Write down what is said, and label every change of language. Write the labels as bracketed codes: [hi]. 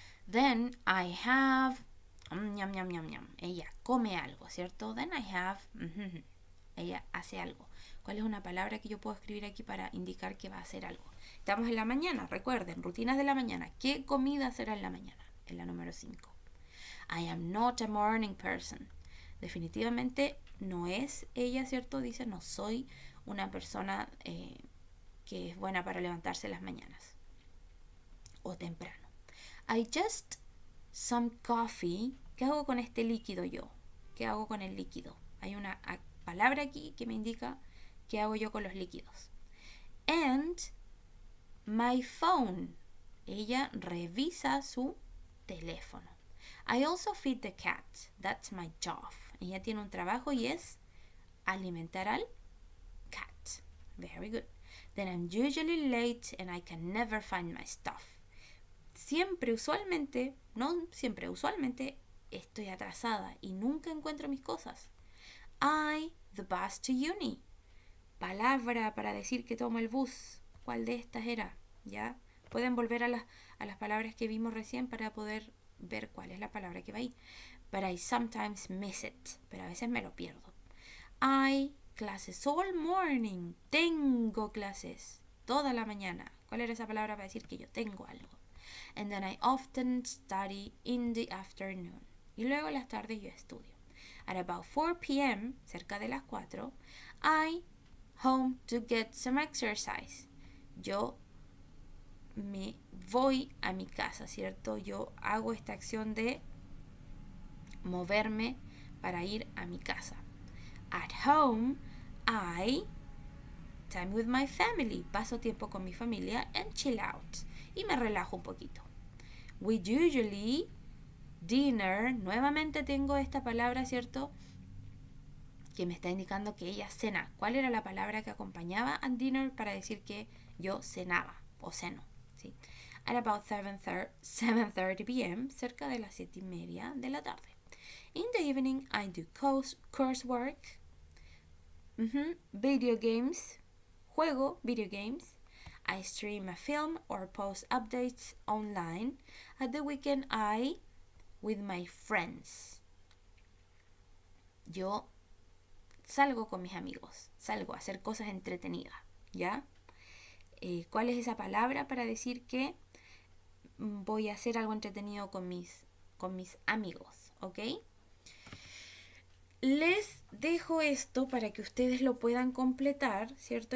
[en] Then I have... [es] Yum, yum, yum, yum. Ella come algo, ¿cierto? Then I have... Ella hace algo. ¿Cuál es una palabra que yo puedo escribir aquí para indicar que va a hacer algo? Estamos en la mañana, recuerden, rutinas de la mañana. ¿Qué comida será en la mañana? En la número 5. [en] I am not a morning person. [es] Definitivamente no es ella, ¿cierto? Dice, no soy una persona que es buena para levantarse en las mañanas o temprano. [en] I just some coffee. [es] ¿Qué hago con este líquido yo? ¿Qué hago con el líquido? Hay una palabra aquí que me indica qué hago yo con los líquidos. [en] And my phone. [es] Ella revisa su teléfono. [en] I also feed the cat. That's my job. [es] Ella tiene un trabajo y es alimentar al [en] cat. Very good. Then I'm usually late and I can never find my stuff. [es] Siempre, usualmente, no siempre, usualmente estoy atrasada y nunca encuentro mis cosas. [en] I, the bus to uni. [es] Palabra para decir que tomo el bus. ¿Cuál de estas era? ¿Ya? Pueden volver a las palabras que vimos recién para poder ver cuál es la palabra que va ahí. [en] But I sometimes miss it. [es] Pero a veces me lo pierdo. [en] I, classes all morning. [es] Tengo clases toda la mañana. ¿Cuál era esa palabra para decir que yo tengo algo? [en] And then I often study in the afternoon. [es] Y luego las tardes yo estudio. [en] At about 4 p.m., [es] cerca de las 4, [en] I home to get some exercise. [es] Yo me voy a mi casa, ¿cierto? Yo hago esta acción de moverme para ir a mi casa. [en] At home, I time with my family. [es] Paso tiempo con mi familia [en] and chill out. [es] Y me relajo un poquito. [en] We usually dinner. [es] Nuevamente tengo esta palabra, ¿cierto? Que me está indicando que ella cena. ¿Cuál era la palabra que acompañaba a dinner para decir que yo cenaba o ceno? ¿Sí? [en] At about 7:30 p.m. [es] cerca de las 7 y media de la tarde. [en] In the evening, I do coursework. Video games. Juego video games. I stream a film or post updates online. At the weekend, I, with my friends. [es] Yo salgo con mis amigos. Salgo a hacer cosas entretenidas. ¿Ya? ¿Cuál es esa palabra para decir que voy a hacer algo entretenido con mis amigos? ¿Ok? Les dejo esto para que ustedes lo puedan completar, ¿cierto?